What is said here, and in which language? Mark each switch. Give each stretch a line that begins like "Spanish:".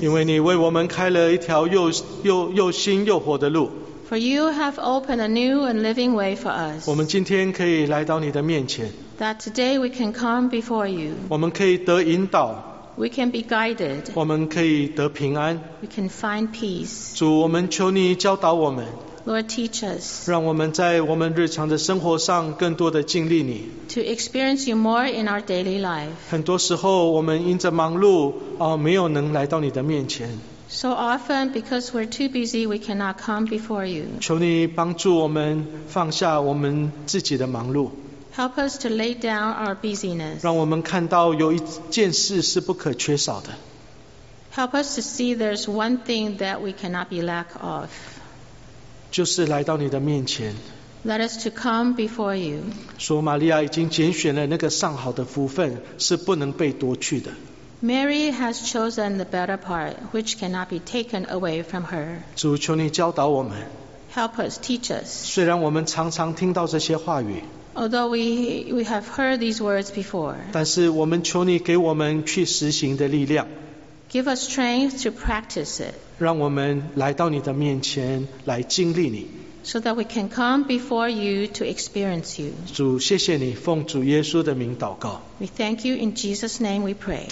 Chinese: 因为你为我们开了一条又新又活的路。
English: For you have opened a new and living way for us.
Chinese: 我们今天可以来到你的面前。
English: That today we can come before you.
Chinese: 我们可以得引导。
English: We can be guided.
Chinese: 我们可以得平安。
English: We can find peace.
Chinese: 主，我们求你教导我们。
English: Lord, teach us.
Chinese: 让我们在我们日常的生活上更多的经历你。
English: To experience you more in our daily life.
Chinese: 很多时候我们因着忙碌，没有能来到你的面前。
English: So often, because we're too busy, we cannot come before you.
Chinese: 求你帮助我们放下我们自己的忙碌。
English: Help us to lay down our busyness.
Chinese: 让我们看到有一件事是不可缺少的。
English: Help us to see there's one thing that we cannot be lack of.
Chinese: 就是来到你的面前。
English: Let us to come before you.
Chinese: 说玛利亚已经拣选了那个上好的福分，是不能被夺去的。
English: Mary has chosen the better part, which cannot be taken away from her.
Chinese: 主，求你教导我们。
English: Help us, teach us.
Chinese: 虽然我们常常听到这些话语。
English: Although we have heard these words before.
Chinese: 但是我们求你给我们去实行的力量。
English: Give us strength to practice it.
Chinese: 让我们来到你的面前来经历你。
English: So that we can come before you to experience you.
Chinese: 主，谢谢你，奉主耶稣的名祷告。
English: We thank you in Jesus' name we pray.